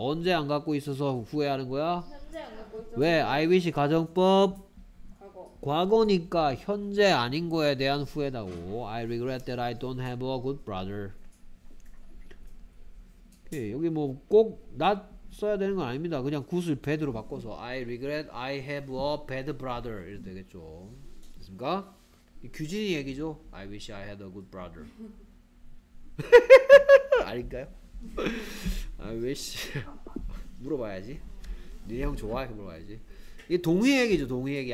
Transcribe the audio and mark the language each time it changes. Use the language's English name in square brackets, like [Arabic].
[Korean] 언제 안 갖고 있어서 후회하는 거야? 왜? 현재 안 갖고 있어서 [English] I wish 가정법 [Korean] 과거. 과거니까 현재 아닌 거에 대한 후회다고. [English] I regret that I don't have a good brother. [Korean] 오케이, 여기 뭐꼭 not 써야 되는 건 아닙니다. 그냥 굿을 bad로 바꿔서 [English] I regret I have a bad brother [Korean] 이래도 되겠죠. 됐습니까? 규진이 얘기죠. [English] I wish I had a good brother. [Korean] 아닌가요? I wish. 물어봐야지. 니네 형 좋아? 이렇게 물어봐야지. 이게 동의 얘기죠. 동의 얘기.